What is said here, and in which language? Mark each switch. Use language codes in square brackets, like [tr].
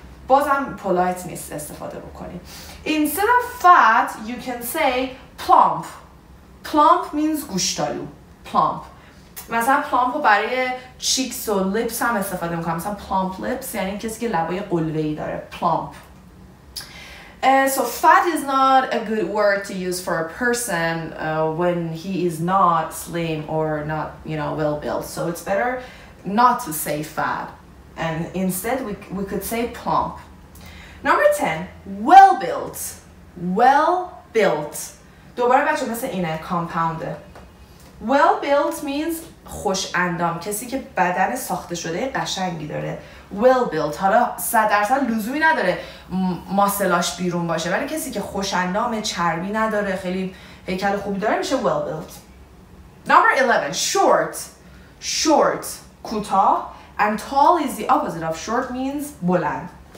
[fa] بازم polite نیست استفاده بکنی. [en] Instead of fat, you can say plump. Plump means گوشتالو. Plump. [fa] مثلا plump رو برای cheeks و lips هم استفاده میکنم. مثلا plump lips یعنی کسی که لبای قلوه‌ای داره. [en] Plump. So fat is not a good word to use for a person when he is not slim or not, you know, well built. So it's better not to say fat. And instead we could say plump. Number 10, well built. Well built. [fa] دوباره بچه مثل اینه compounder. [en] Well built means [fa] خوش اندام، کسی که بدن ساخته شده قشنگی داره. [en] Well built. [fa] حالا 100% لزومی نداره ماسلاش بیرون باشه، ولی کسی که خوش اندام، چربی نداره، خیلی هیکل خوبی داره میشه well built. [en] Number 11, short. Short. کوتاه. And tall is the opposite of short means بلند.